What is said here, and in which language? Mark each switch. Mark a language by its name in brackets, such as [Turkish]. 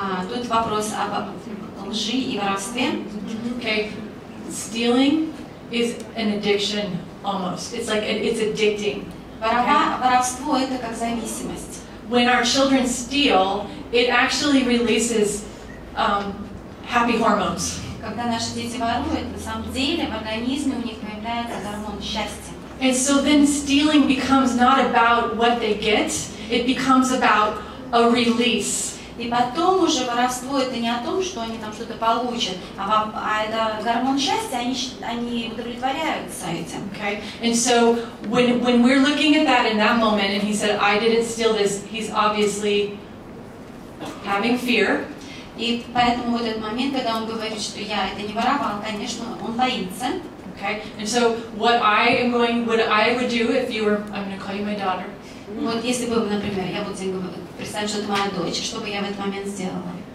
[Russian] Тут вопрос об лжи и воровстве. [English] Okay. Stealing is an addiction almost. It's like it's addicting. [Russian] Воровство — это как зависимость. [English] When our children steal, it actually releases happy hormones. [Russian] Когда наши дети воруют, на самом деле в организме у них появляется гормон счастья. [English] And so then stealing becomes not about what they get, it becomes about a release. [Russian] И потом уже воровство это не о том, что они там что-то получат, а это гормон счастья, они удовлетворяются этим. [English] Okay. And so when we're looking at that in that moment, and he said, I didn't steal this, he's obviously having fear. [Russian] И поэтому в этот момент, когда он говорит, что я это не воровал, конечно, он боится. [English] Okay. And so what I would do if you were, I'm going to call you my daughter. [Russian] Вот если бы, например, я буду тебе говорить. Представь, что это моя дочь, что бы я в этот момент сделала?